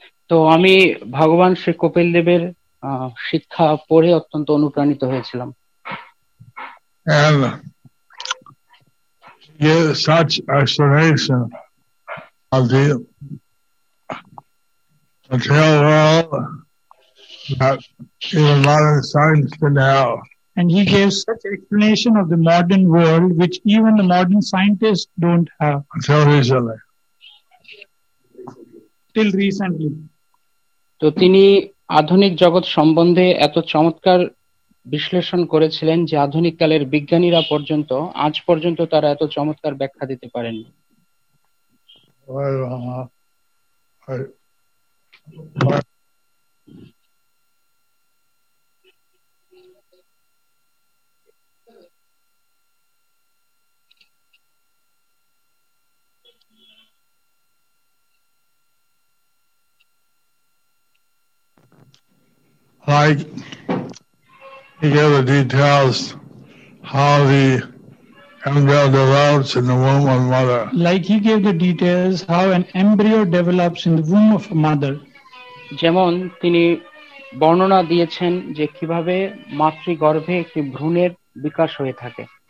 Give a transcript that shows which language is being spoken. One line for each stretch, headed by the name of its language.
Bangla: তো আমি ভগবান শ্রী কপিল দেবের শিক্ষা পড়ে অত্যন্ত অনুপ্রাণিত হয়েছিলাম।
English: And such explanation of the material world that even modern science can have. And he gave such explanation of the modern world which even the modern scientists don't have. Till recently.
Bangla: তো তিনি আধুনিক জগৎ সম্বন্ধে এত চমৎকার বিশ্লেষণ করেছিলেন যে আধুনিক কালের বিজ্ঞানীরা পর্যন্ত আজ পর্যন্ত তারা এত চমৎকার ব্যাখ্যা দিতে পারেন।
English: Well, like he gave the details how the embryo develops in the womb of mother. Like he gave the details how an embryo develops in the womb of a mother.
Bangla: যেমন তিনি বর্ণনা দিয়েছেন যে কিভাবে মাতৃ গর্ভে একটি ভ্রূণের বিকাশ হয়ে থাকে।